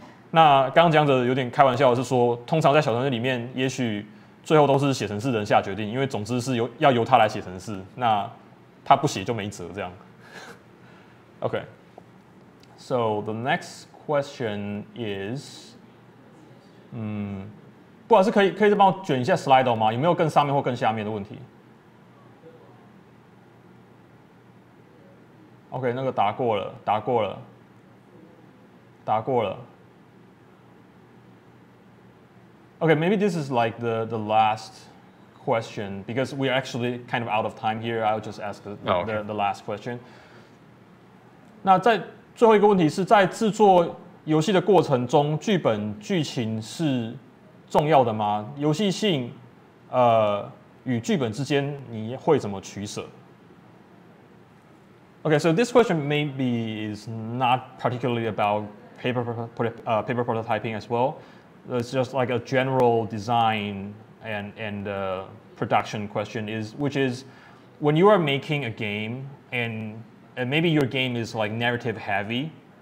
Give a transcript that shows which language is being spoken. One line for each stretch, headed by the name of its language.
Chinese: 那刚刚讲的有点开玩笑的是说，通常在小团队里面，也许最后都是写程式人下决定，因为总之是要由他来写程式，那他不写就没辙这样。
English: Okay, so the next question is,
Chinese: 不好意思，可以再帮我卷一下 slide 吗？有没有更上面或更下面的问题？
English: OK,
Chinese: 那个答过了。
English: OK, maybe this is like the last question, because we are actually kind of out of time here. I'll just ask the last question.
Chinese: 那在最后一个问题是，在制作游戏的过程中，剧本剧情是重要的吗？游戏性与剧本之间你会怎么取舍？
English: Okay, so this question maybe is not particularly about paper prototyping as well. It's just like a general design and production question, which is when you are making a game and maybe your game is like narrative heavy.